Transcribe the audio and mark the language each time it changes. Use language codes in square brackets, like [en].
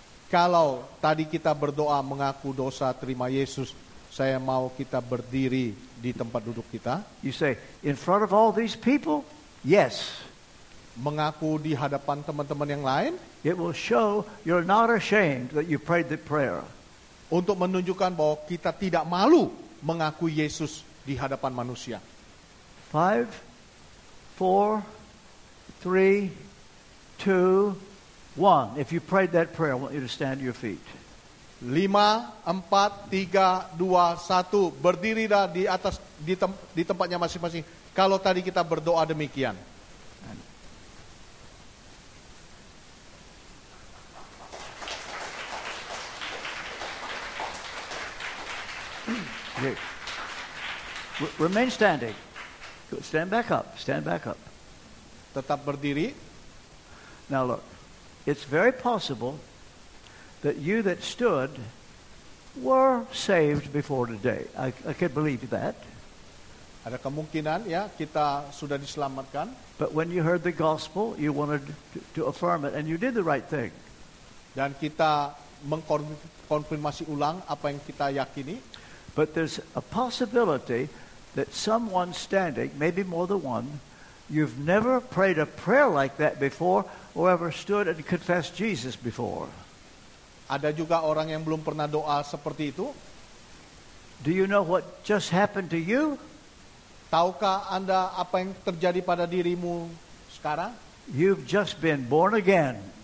[id] Kalau tadi kita berdoa mengaku dosa terima Yesus, saya mau kita berdiri di tempat duduk kita. [en] You say, in front of all these people? Yes. [id] mengaku di hadapan teman-teman yang lain. [en] It will show you're not ashamed that you prayed the prayer. [id] Untuk menunjukkan bahwa kita tidak malu mengaku Yesus di hadapan manusia. [en] 5, 4, 3, 2, 1. If you prayed that prayer, I want you to stand to your feet. 5, 4, 3, 2, 1. [id] Berdirilah di atas di tempatnya masing-masing. Kalau tadi kita berdoa demikian. [en] Remain standing. Stand back up. Stand back up. [id] Tetap berdiri. [en] Now look, it's very possible that you that stood were saved before today. I can't believe that. [id] Ada kemungkinan ya kita sudah diselamatkan. [en] But when you heard the gospel, you wanted to affirm it, and you did the right thing. [id] Dan kita mengkonfirmasi ulang apa yang kita yakini. [en] But there's a possibility that someone standing, maybe more than one, you've never prayed a prayer like that before, or ever stood and confessed Jesus before. [id] Ada juga orang yang belum pernah doa seperti itu. [en] Do you know what just happened to you? [id] Tahukah Anda apa yang terjadi pada dirimu sekarang? [en] You've just been born again.